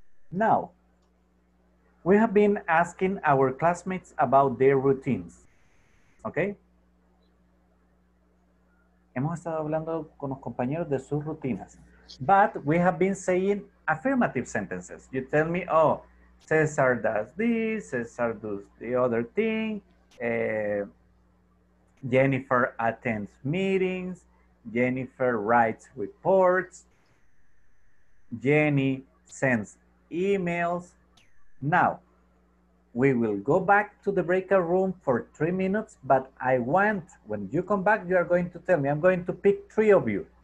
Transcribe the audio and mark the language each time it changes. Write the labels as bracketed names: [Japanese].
[English] Now, we have been asking our classmates about their routines. Okay? [Spanish] Hemos estado hablando con los compañeros de sus rutinas. [English] But we have been saying affirmative sentences. You tell me, oh, Cesar does this, Cesar does the other thing. Jennifer attends meetings. Jennifer writes reports. Jenny sends emails. Now, we will go back to the breakout room for 3 minutes, but I want, when you come back, you are going to tell me, I'm going to pick 3 of you.